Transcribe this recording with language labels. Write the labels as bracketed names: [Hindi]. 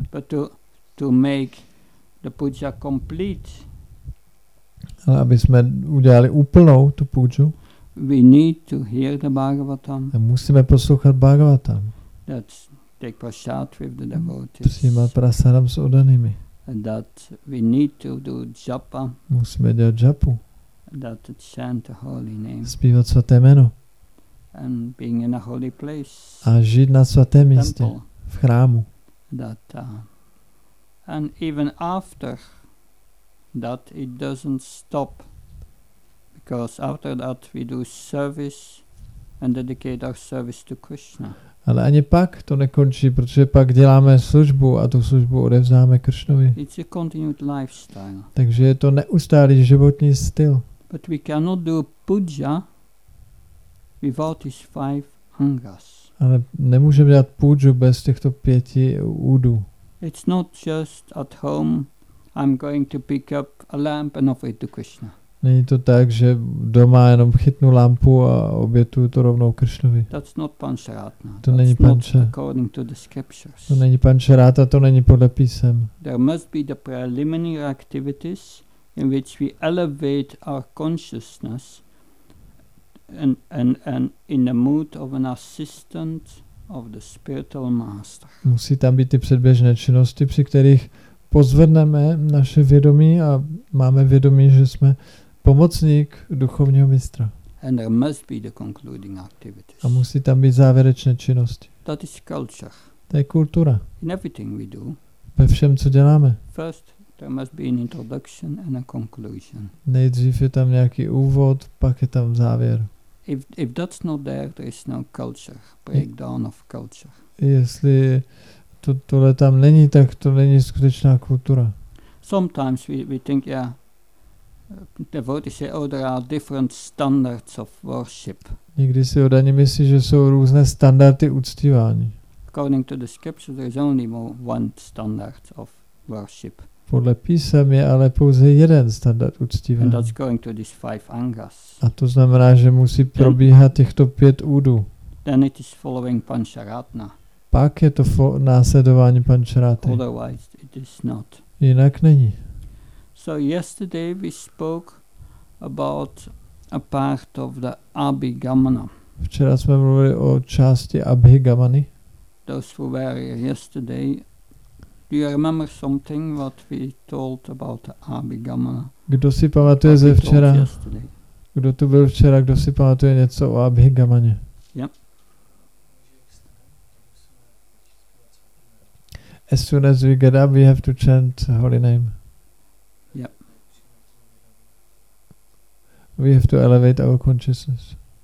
[English] But to make the puja complete. [Czech] Ale aby jsme udělali úplnou tu puju. [English] We need to hear the Bhagavatam. [Czech] A musíme poslouchat Bhagavatam. [English] That's take prasad with the devotees. [Czech] Přijímat prasadam s oddanými. [English] And that we need to do japa. [Czech] Musíme dělat japu. [English] That chant the holy name. [Czech] Zpívat svaté jméno. [English] And being in a holy place. [Czech] A žít na svatém místě. V chrámu. [English] That and even after that it doesn't stop. Because after that we do service and dedicate our service to Krishna. [Czech] Ale ani pak to nekončí, protože pak děláme službu a tu službu odevzdáme Kršnovi. [English] It's a continued lifestyle. [Czech] Takže je to neustálý životní styl. [English] But we cannot do puja without these five angas. [Czech] Ale nemůžeme dělat puju bez těchto pěti údů. [English] It's not just at home I'm going to pick up a lamp and offer it to Krishna. [Czech] Není to tak, že doma jenom chytnu lampu a obětuju to rovnou Kršnovi. [English] That's not panchratna. [Czech] To není panča. [English] According to the scriptures. [Czech] To není panchratna, to není podle písem. [English] There must be the preliminary activities in which we elevate our consciousness and in the mood of an assistant of the spiritual master. [Czech] Musí tam být ty předběžné činnosti, při kterých pozvedneme naše vědomí a máme vědomí, že jsme pomocník duchovního mistra. [English] And there must be the concluding activities. [Czech] A musí tam být závěrečné činnosti. [English] That is culture. [Czech] To je kultura. [English] In everything we do. [Czech] Ve všem, co děláme. [English] First, there must be an introduction and a conclusion. [Czech] Nejdřív je tam nějaký úvod, pak je tam závěr. [English] If that's not there, there is no culture. Breakdown of culture. [Czech] Jestli tohle tam není, tak to není skutečná kultura. [English] Sometimes we think, yeah, devotees say, oh, there are different standards of worship. [Czech] Někdy si odaní myslí, že jsou různé standardy uctívání. [English] According to the scriptures, there is only one standard of worship. [Czech] Podle písem je ale pouze jeden standard uctívání. [English] And that's going to these five angas. [Czech] A to znamená, že musí probíhat těchto pět údů. [English] Then it is following panchratna. [Czech] Pak je to následování panchraty. [English] Otherwise it is not. [Czech] Jinak není. [English] So yesterday we spoke about a part of the Abhigamana. [Czech] Včera jsme mluvili o části Abhigamany. [English] Those who were here yesterday, do you remember something what we told about the Abhigamana? [Czech] Kdo si pamatuje ze včera? Kdo tu byl včera, kdo si pamatuje něco o Abhigamaně? [English] Yeah. As soon as we get up, we have to chant the holy name. We have to elevate our consciousness.